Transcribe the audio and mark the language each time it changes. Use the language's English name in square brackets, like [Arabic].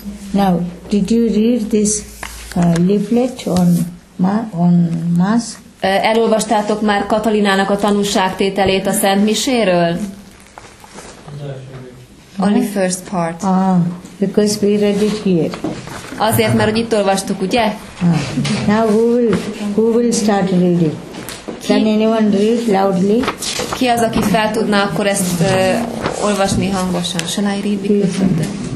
[English] Now, did you read this leaflet on mass? [Hungarian] Elolvastátok már Katalinának a tanúságtételét a Szent Miséről? [English] Only first part. Because we read it here. [Hungarian] Azért, mert hogy itt olvastuk, ugye? [English] Now who will start reading? Can anyone read loudly? [Hungarian] Ki az, aki fel tudná akkor ezt olvasni hangosan? [English] Shall I read?